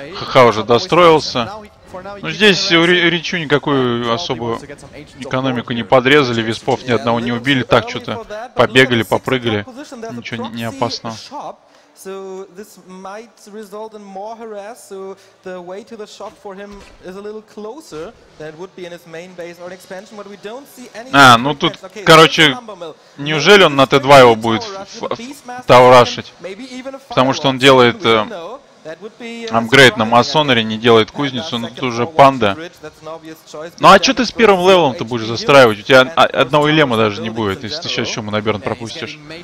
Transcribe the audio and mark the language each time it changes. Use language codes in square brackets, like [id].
[ru] ХХ уже достроился. Но здесь у Ричу никакую особую экономику не подрезали, виспов ни одного не убили, так что-то побегали, попрыгали, ничего не опасно. [en] So this might result in more harass, so the way to the shop for him is a little closer than it would be in his main base or an expansion, but we don't see any... [ru] А, ну тут, okay, короче, неужели он на Т2 его будет таурашить? Потому что он делает апгрейд на масонере, не делает кузницу, но тут уже панда. Ну а что ты с первым левелом-то будешь застраивать? У тебя одного лема даже не будет, если ты сейчас еще моноберн пропустишь.